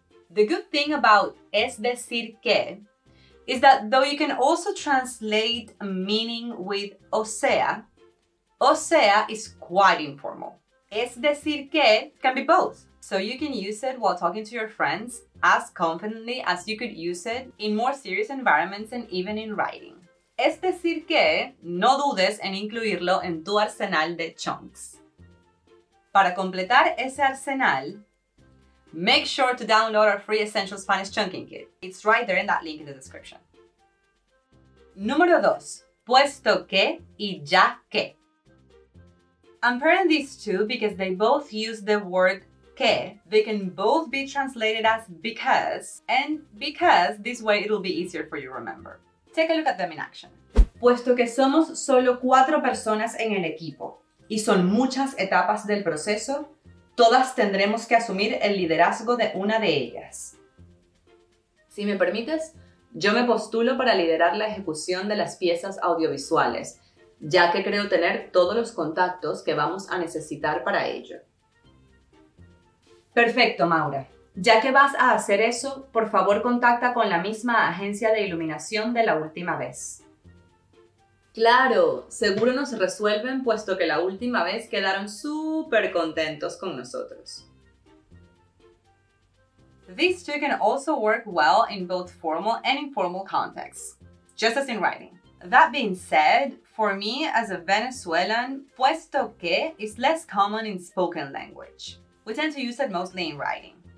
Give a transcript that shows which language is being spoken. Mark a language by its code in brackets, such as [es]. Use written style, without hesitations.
[en] The good thing about es decir que is that though you can also translate meaning with o sea is quite informal. Es decir que can be both. So you can use it while talking to your friends as confidently as you could use it in more serious environments and even in writing. [es] Es decir que, no dudes en incluirlo en tu arsenal de chunks. Para completar ese arsenal, [en] make sure to download our free Essential Spanish Chunking Kit. It's right there in that link in the description. [es] Número 2. Puesto que y ya que. [en] I'm pairing these two because they both use the word que. They can both be translated as because, and because this way it'll be easier for you to remember. Take a look at them in action. [es] Puesto que somos solo 4 personas en el equipo y son muchas etapas del proceso, todas tendremos que asumir el liderazgo de una de ellas. Si me permites, yo me postulo para liderar la ejecución de las piezas audiovisuales, ya que creo tener todos los contactos que vamos a necesitar para ello. Perfecto, Maura. Ya que vas a hacer eso, por favor contacta con la misma agencia de iluminación de la última vez. ¡Claro! Seguro nos resuelven puesto que la última vez quedaron súper contentos con nosotros. [en] These two can also work well in both formal and informal contexts, just as in writing. That being said, for me as a Venezuelan, puesto que is less common in spoken language. We tend to use it mostly in writing.